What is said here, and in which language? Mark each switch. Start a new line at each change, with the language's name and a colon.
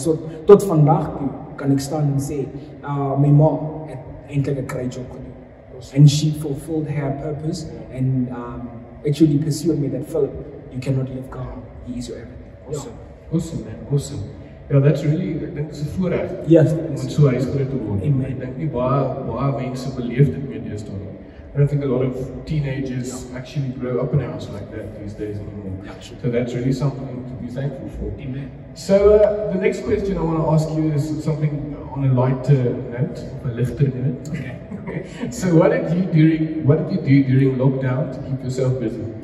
Afrikaans: So tot vandag toe kan ek staan en sê, my mom het eindelijk een great job gedoen.
English: And she fulfilled her purpose and actually pursued me that, Philip, you cannot leave God, He is your everything. Awesome, man, awesome. Ja, that's really,
Afrikaans: ek dink, is 'n voorreg.
English: Yes.
Afrikaans: Om so huis groot te word.
English: Amen.
Afrikaans: Ek dink nie baie mense beleef dit meer deesdae nie.
English: I don't think a lot of teenagers actually grow up in a house like that these days anymore. Yeah, sure. So that's really something to be thankful for. Amen. So the next question I want to ask you is something on a lighter note, a lichter note. Okay. So what did you do during lockdown to keep yourself busy?